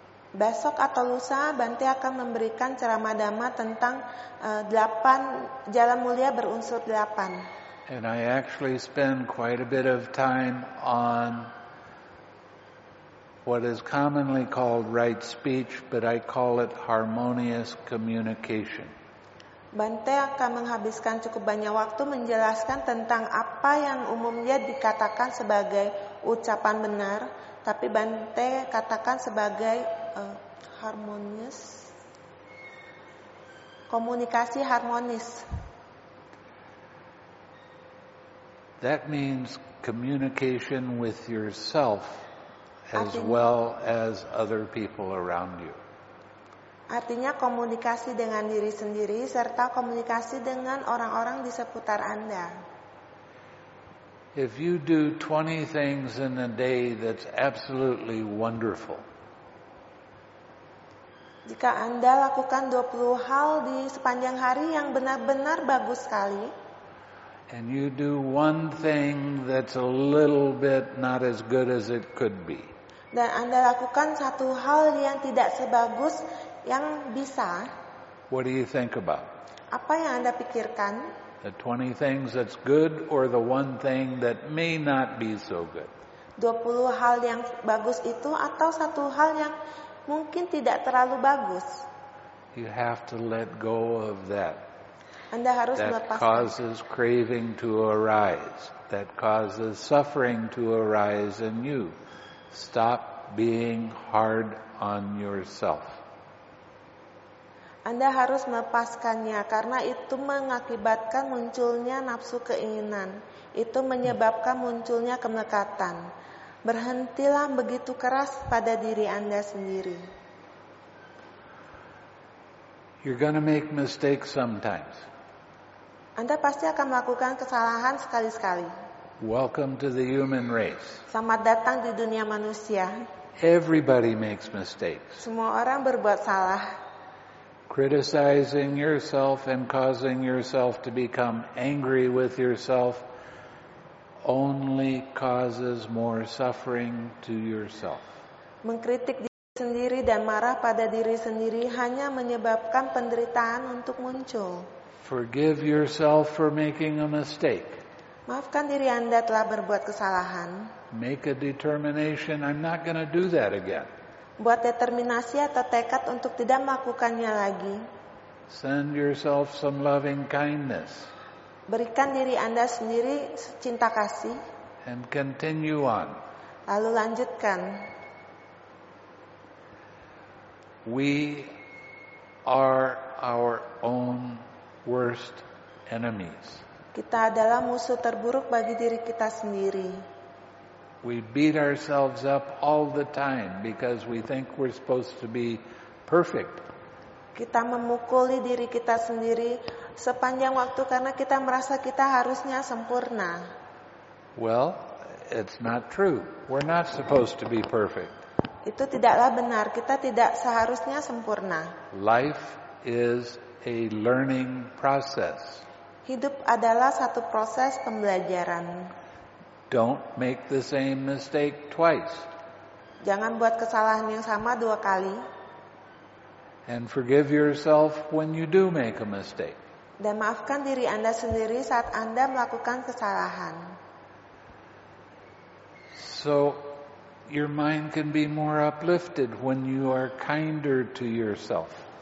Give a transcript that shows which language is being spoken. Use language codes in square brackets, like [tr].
[id] Besok atau lusa, Bante akan memberikan ceramah dhamma tentang 8 jalan mulia berunsur 8. [en] And I actually spend quite a bit of time on what is commonly called right speech, but I call it harmonious communication. [id] Bante akan menghabiskan cukup banyak waktu menjelaskan tentang apa yang umumnya dikatakan sebagai ucapan benar, tapi Bante katakan sebagai harmonious komunikasi harmonis. [en] That means communication with yourself as well as other people around you. [id] Artinya komunikasi dengan diri sendiri serta komunikasi dengan orang-orang di seputar Anda. [en] If you do 20 things in a day, that's absolutely wonderful. [id] Jika Anda lakukan 20 hal di sepanjang hari yang benar-benar bagus sekali. [en] And you do one thing that's a little bit not as good as it could be. [id] Dan Anda lakukan satu hal yang tidak sebagus yang bisa. [en] What do you think about? [id] Apa yang Anda pikirkan? [en] The 20 things that's good or the one thing that may not be so good? [id] 20 hal yang bagus itu atau satu hal yang mungkin tidak terlalu bagus. [en] You have to let go of that. [id] Anda harus [en] that [id] melepaskan. [en] Causes craving to arise. That causes suffering to arise in you. Stop being hard on yourself. [id] Anda harus melepaskannya karena itu mengakibatkan munculnya nafsu keinginan. Itu menyebabkan munculnya kemekatan. Berhentilah begitu keras pada diri Anda sendiri. [en] You're gonna make mistakes sometimes. [id] Anda pasti akan melakukan kesalahan sekali-sekali. [en] Welcome to the human race. [id] Selamat datang di dunia manusia. [en] Everybody makes mistakes. [id] Semua orang berbuat salah. [en] Criticizing yourself and causing yourself to become angry with yourself only causes more suffering to yourself. [id] Mengkritik diri sendiri dan marah pada diri sendiri hanya menyebabkan penderitaan untuk muncul. [en] Forgive yourself for making a mistake. [id] Maafkan diri Anda telah berbuat kesalahan. [en] Make a determination, I'm not going to do that again. [id] Buat determinasi atau tekad untuk tidak melakukannya lagi. [en] Send yourself some loving kindness. [id] Berikan diri Anda sendiri cinta kasih. [en] And continue on. [id] Lalu lanjutkan. [en] We are our own worst enemies. [id] Kita adalah musuh terburuk bagi diri kita sendiri. [en] We beat ourselves up all the time because we think we're supposed to be perfect. [id] Kita memukuli diri kita sendiri sepanjang waktu karena kita merasa kita harusnya sempurna. [en] Well, it's not true. We're not supposed to be perfect. [id] Itu tidaklah benar. Kita tidak seharusnya sempurna. [en] Life is a learning process. [id] Hidup adalah satu proses pembelajaran. [en] Don't make the same mistake twice. [id] Jangan buat kesalahan yang sama dua kali. [en] And forgive yourself when you do make a mistake. [id] Dan maafkan diri Anda sendiri saat Anda melakukan kesalahan. [en] So your mind can be more uplifted when you are kinder to yourself.